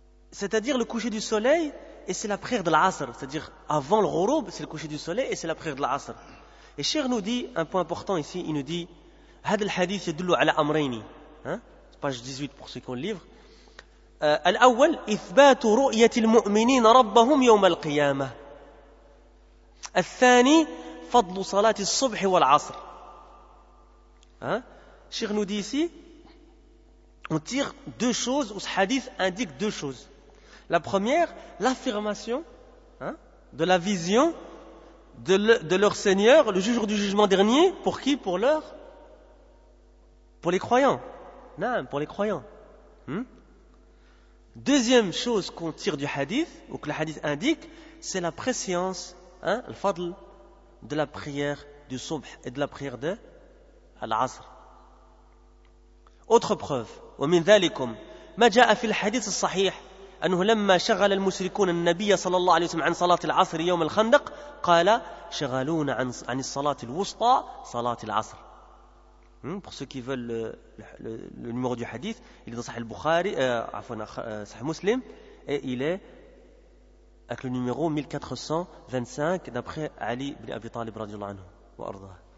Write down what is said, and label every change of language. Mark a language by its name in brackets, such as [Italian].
[French] C'est-à-dire le coucher du soleil, et c'est la prière de l'asr. C'est-à-dire, avant le ghurub, c'est le coucher du soleil, et c'est la prière de l'asr. Et Cheikh nous dit, un point important ici, il nous dit, [Arabic] هذا الحديث يدل على أمرين [French] page 18 pour ceux qui ont le livre. [Arabic] الأول إثبات رؤية المؤمنين ربهم يوم القيامة. الثاني فضل صلاة الصبح والعصر. [French] Cheikh nous dit ici, on tire deux choses, ou ce hadith indique deux choses. La première, l'affirmation de la vision de leur Seigneur le jour du jugement dernier. Pour qui? Pour leur, pour les croyants. Non, pour les croyants. Deuxième chose qu'on tire du hadith, ou que le hadith indique, c'est la préscience, le fadl, de la prière du subh et de la prière de l'asr. Autre preuve. [Arabic] ومن ذلكم ما جاء في الحديث الصحيح أنه لما شغل المشركون النبي صلى الله عليه وسلم عن صلاة العصر يوم الخندق قال شغلون عن الصلاة الوسطى صلاة العصر. [French] Pour ceux qui veulent le numéro du hadith, il est dans Sahih al-Bukhari, Sahih Muslim, et il est avec le numéro 1425 d'après Ali ibn Abi Talib radiallahu anhu wa arda.